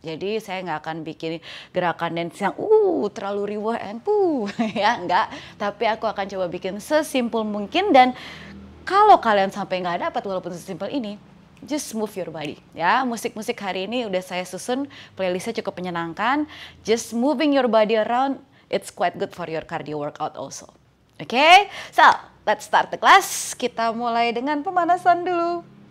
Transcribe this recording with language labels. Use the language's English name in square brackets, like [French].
[Indonesian] Jadi saya nggak akan bikin gerakan dance yang terlalu riwah and ya enggak, tapi aku akan coba bikin sesimpel mungkin. Dan kalau kalian sampai nggak dapat walaupun sesimpel ini, [English] just move your body [Indonesian] ya. Musik-musik hari ini udah saya susun, playlistnya cukup menyenangkan. [English] Just moving your body around, it's quite good for your cardio workout also. Oke, okay? So let's start the class. [Indonesian] Kita mulai dengan pemanasan dulu.